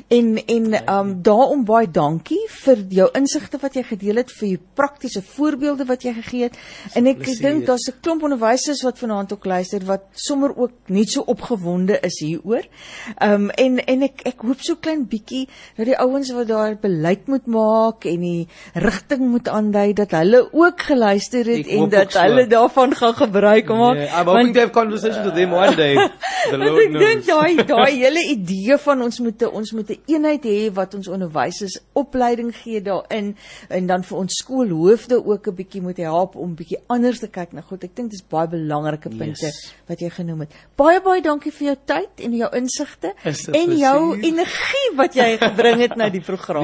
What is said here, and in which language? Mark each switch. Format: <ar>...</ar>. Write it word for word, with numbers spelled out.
<af>En, en Um, daarom baie dankie vir jou insigte wat jy gedeel het, vir jou praktiese voorbeelde wat jy gegee het, en ek dink daar's 'n klomp onderwysers wat vanaand ook luister, wat sommer ook net so opgewonde is hieroor, um, en, en ek, ek hoop so klein bietjie, dat die ouens wat daar beleid moet maak, en die rigting moet aandui, dat hulle ook geluister het, en dat hulle so. Daarvan gaan gebruik maak.</af> <en>Yeah, I'm hoping to have conversations with them one day, the Lord knows.</en> <af>Ek dink daai hele idee van ons moet 'n ons moet 'n eenheid hê, wat ons onderwysers opleiding gee daarin, en dan vir ons skoolhoofde ook 'n bietjie moet help om 'n bietjie anders te kyk na goed. Ek dink dis baie belangrike punte yes. wat jy genoem het. Baie baie dankie vir jou tyd en jou insigte en jou energie wat jy gebring het na die program.</af>